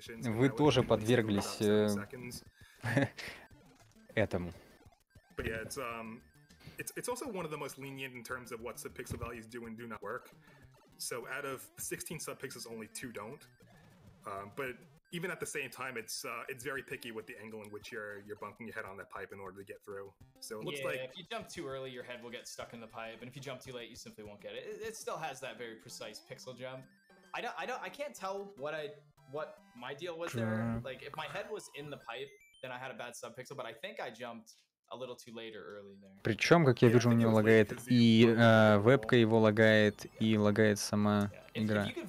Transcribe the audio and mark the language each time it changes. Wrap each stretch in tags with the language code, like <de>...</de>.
<ru>Вы тоже подверглись этому.</ru> <en>It's also one of the most lenient in terms of what subpixel values do and do not work. So out of 16 subpixels, only 2 don't. But even at the same time, it's very picky with the angle in which you're bunking your head on that pipe in order to get through. So it looks yeah, like if you jump too early, your head will get stuck in the pipe, and if you jump too late, you simply won't get it. It still has that very precise pixel jump. I can't tell what my deal was there. Like if my head was in the pipe, then I had a bad subpixel. But I think I jumped a little too late or early there.</en> <ru>Причем, как я вижу, у него лагает и вебка его лагает, и лагает сама. Игра.</ru>